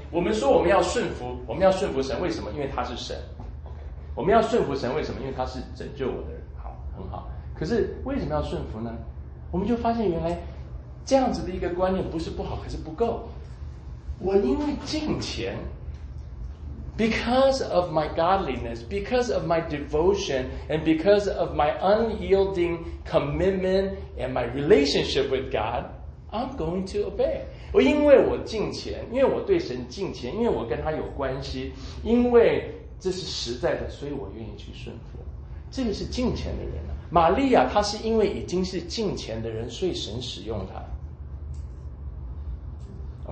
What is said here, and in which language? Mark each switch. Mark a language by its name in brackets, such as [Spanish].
[Chinese] 我们说我们要顺服，我们要顺服神，为什么？因为他是神。我们要顺服神，为什么？因为他是拯救我的人。好，很好。可是为什么要顺服呢？我们就发现原来这样子的一个观念不是不好，可是不够。我因为敬虔。 [English] Because of my godliness, because of my devotion, and because of my unyielding commitment and my relationship with God, I'm going to obey. [Chinese] 我因为我敬虔，因为我对神敬虔，因为我跟他有关系，因为这是实在的，所以我愿意去顺服。这个是敬虔的人、玛利亚她是因为已经是敬虔的人，所以神使用她。